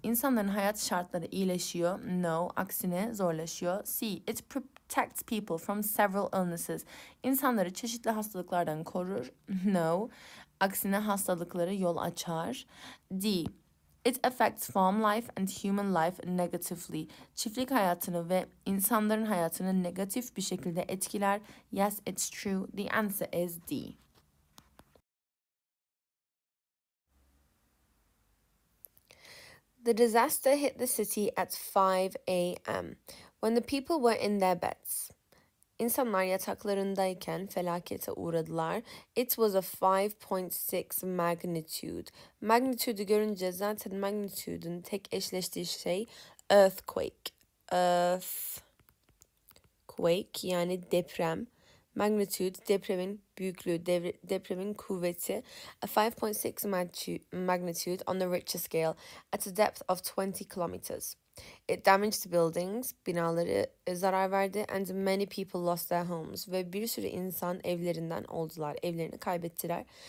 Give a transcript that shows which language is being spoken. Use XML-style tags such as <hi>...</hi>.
<tr>İnsanların hayat şartları iyileşiyor. No, aksine zorlaşıyor.</tr> <en>C, it protects people from several illnesses.</en> <tr>İnsanları çeşitli hastalıklardan korur. No, aksine hastalıkları yol açar.</tr> <en>D, it affects farm life and human life negatively.</en> <tr>Çiftlik hayatını ve insanların hayatını negatif bir şekilde etkiler.</tr> <en>Yes, it's true. The answer is D. The disaster hit the city at 5 a.m. when the people were in their beds.</en> <tr>İnsanlar yataklarındayken felakete uğradılar.</tr> <en>It was a 5.6 magnitude.</en> <tr>Magnitude görünce zaten magnitude'un tek eşleştiği şey earthquake. Earthquake yani deprem. Magnitude depremin büyüklüğü, depremin kuvveti.</tr> <en>A 5.6 magnitude on the Richter scale at a depth of 20 kilometers. It damaged buildings,</en> <tr>binaları zarar verdi</tr> <en>and many people lost their homes.</en> <tr>Ve bir sürü insan evlerinden oldular, evlerini kaybettiler.</tr>